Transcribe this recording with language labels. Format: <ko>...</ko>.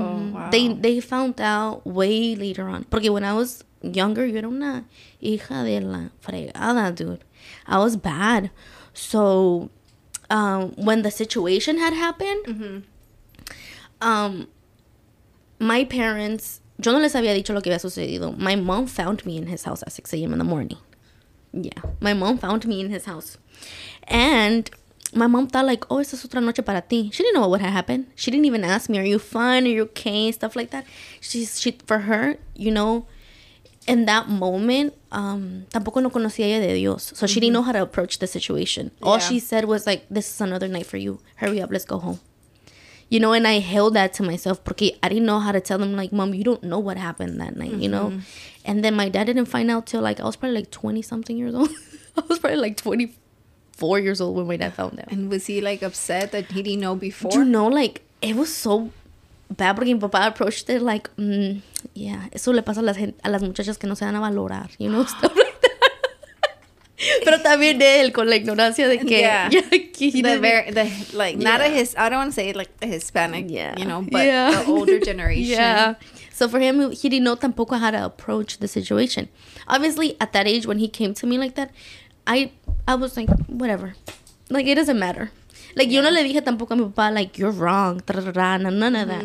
<en>Oh, wow. They found out way later on. Porque when I was younger,</en> <es>yo era una hija de la fregada,</es> <en>dude. I was bad. So when the situation had happened, mm-hmm. My parents,</en> <es>yo no les había dicho lo que había sucedido.</es> <en>My mom found me in his house at 6 a.m. in the morning. Yeah. My mom found me in his house. And my mom thought like, oh,</en> <es>esta es otra noche para ti.</es> <en>She didn't know what had happened. She didn't even ask me, are you fine? Are you okay? Stuff like that. She for her, you know, in that moment,</en> <es>tampoco no conocía ella de Dios.</es> <en>So mm-hmm. she didn't know how to approach the situation. Yeah. All she said was like, this is another night for you. Hurry up. Let's go home. you know, and I held that to myself porque I didn't know how to tell them, like, mom, you don't know what happened that night, mm-hmm. you know? And then my dad didn't find out till, like, I was probably, like, 20-something years old. I was probably, like, 24 years old when my dad found out. And was he, like, upset that he didn't know before? Do you know, like, it was so bad</en> <es>porque mi papá</es> <en>approached it, like, yeah,</en> <es>eso le pasa a las muchachas que no se dan a valorar,</es> <en>you know, stuff like that.</en> <es>Pero también de él, con la ignorancia de que...</es> <en>Yeah. Yeah, que the like, not yeah. a his... I don't want to say, like, a Hispanic, yeah. you know, but yeah. the older generation. Yeah. So for him, he didn't know tampoco how to approach the situation. Obviously, at that age, when he came to me like that, I was like, whatever. Like, it doesn't matter. Like, yeah.</en> <es>yo no le dije tampoco a mi papá,</es> <en>like, you're wrong, none of that.</en>